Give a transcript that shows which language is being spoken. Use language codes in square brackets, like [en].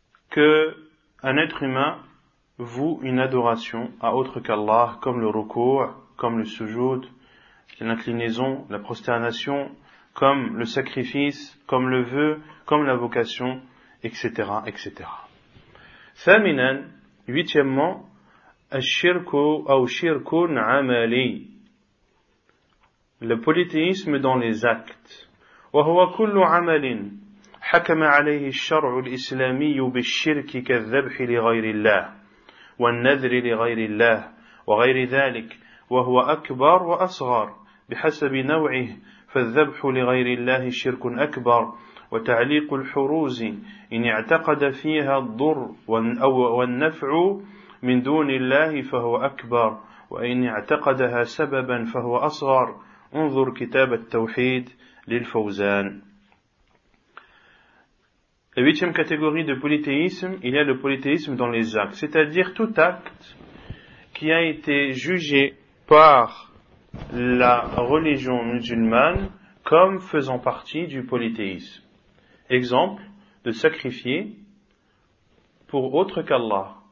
[fr] qu'un être humain voue une adoration à autre qu'Allah, comme le recours, comme le sujoud, l'inclinaison, la prosternation, comme le sacrifice, comme le vœu, comme la vocation, etc., etc. [ar] Thaminan, [fr] huitièmement, [ar] al-shirku ou shirkun amali. [fr] Le polythéisme dans les actes. [ar] وهو كل عمل حكم عليه الشرع الإسلامي بالشرك كالذبح لغير الله والنذر لغير الله وغير ذلك وهو أكبر وأصغر بحسب نوعه فالذبح لغير الله شرك أكبر وتعليق الحروز إن اعتقد فيها الضر والنفع من دون الله فهو أكبر وإن اعتقدها سببا فهو أصغر انظر كتاب التوحيد للفوزان. [fr] La huitième catégorie de polythéisme, il y a le polythéisme dans les actes, c'est-à-dire tout acte qui a été jugé par la religion musulmane comme faisant partie du polythéisme. Exemple, de sacrifier pour autre qu'Allah.